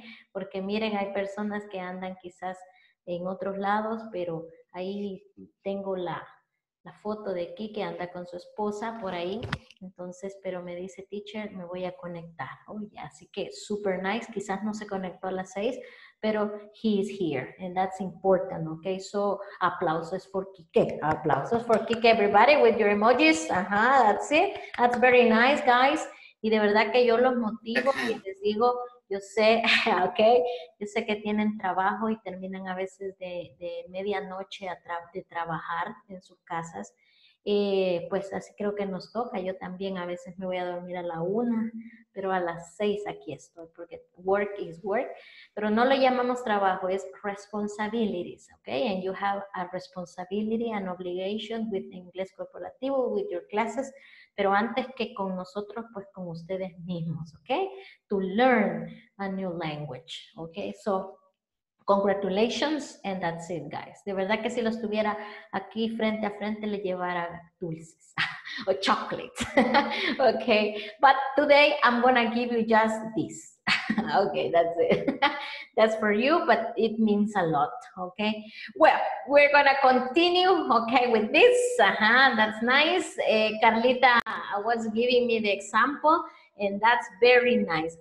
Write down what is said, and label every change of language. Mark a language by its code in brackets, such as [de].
[es] Porque miren, hay personas que andan quizás en otros lados, pero ahí tengo la foto de Kiki que anda con su esposa por ahí. Entonces, pero me dice, teacher, me voy a conectar. [en] Oh, yeah. [es] Así que [en] super nice, [es] quizás no se conectó a las 6. [en] Pero he is here, and that's important, okay? So, aplausos for Kike. Aplausos for Kike, everybody, with your emojis. Ajá, that's it. That's very nice, guys. [es] Y de verdad que yo los motivo y les digo, yo sé, okay? Yo sé que tienen trabajo y terminan a veces de medianoche de trabajar en sus casas. Pues así creo que nos toca. Yo también a veces me voy a dormir a la 1, pero a las 6 aquí estoy, porque [en] work is work, [es] pero no lo llamamos trabajo, es responsibilities, okay? [en] And you have a responsibility, an obligation with English Corporativo, with your classes, [es] pero antes que con nosotros, pues con ustedes mismos, [en] okay? To learn a new language, okay? So, congratulations, and that's it, guys. [es] De verdad que si los tuviera aquí frente a frente, le llevara dulces o chocolates. [en] Okay, but today I'm gonna give you just this. Okay, that's it. That's for you, but it means a lot, okay? Well, we're gonna continue, okay, with this. Uh-huh, that's nice. Carlita was giving me the example, and that's very nice.